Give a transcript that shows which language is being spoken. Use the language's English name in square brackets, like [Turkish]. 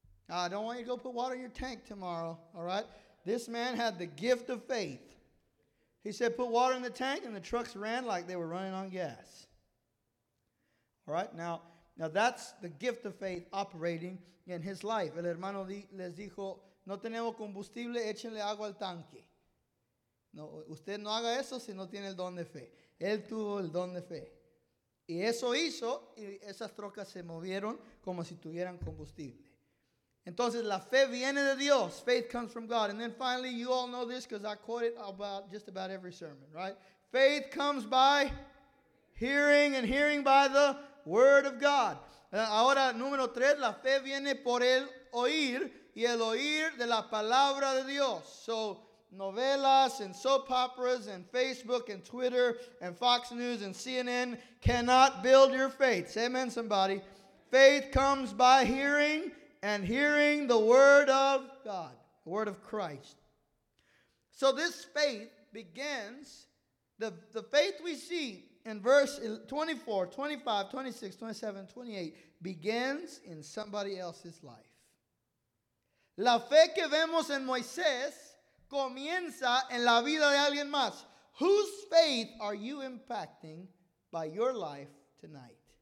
[English] I don't want you to go put water in your tank tomorrow, all right? This man had the gift of faith. He said, put water in the tank, and the trucks ran like they were running on gas. All right, now that's the gift of faith operating in his life. [Spanish] El hermano les dijo, no tenemos combustible, échenle agua al tanque. No, usted no haga eso si no tiene el don de fe. Él tuvo el don de fe. Y eso hizo, y esas trocas se movieron como si tuvieran combustible. Entonces, la fe viene de Dios. [English] Faith comes from God. And then finally, you all know this because I quote it about just about every sermon, right? Faith comes by hearing, and hearing by the word of God. [Spanish] Ahora, número tres, la fe viene por el oír, y el oír de la palabra de Dios. [English] So, novelas and soap operas and Facebook and Twitter and Fox News and CNN cannot build your faith. Say amen, somebody. Faith comes by hearing, and hearing the word of God, the word of Christ. So this faith begins, the faith we see in verse 24, 25, 26, 27, 28 begins in somebody else's life. [Spanish] La fe que vemos en Moisés comienza en la vida de alguien más. [English] Whose faith are you impacting by your life tonight?